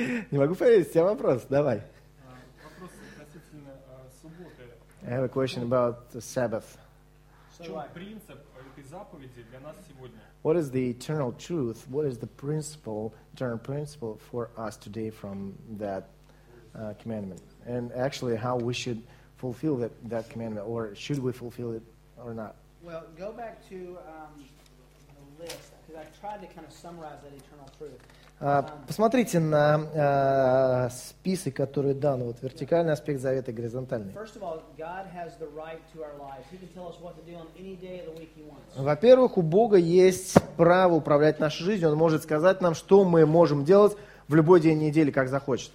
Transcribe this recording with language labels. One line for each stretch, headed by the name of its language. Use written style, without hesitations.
Russian: Не могу поверить, у тебя вопрос, давай. Вопрос относительно субботы.
English: I have a question about the Sabbath.
Russian: В чем принцип этой заповеди для нас сегодня?
English: What is the eternal truth? What is the principle, eternal principle for us today from that commandment? And actually, how we should fulfill that commandment, or should we fulfill it or not? Well, go back to the list, because I tried to kind of summarize that eternal truth.
Russian: Посмотрите на список, который дан. Вот вертикальный аспект завета, горизонтальный.
English: First of all, God has the right to our lives. He can tell us what to do on any day of the week he wants.
Russian: Во-первых, у Бога есть право управлять нашей жизнью. Он может сказать нам, что мы можем делать в любой день недели, как захочет.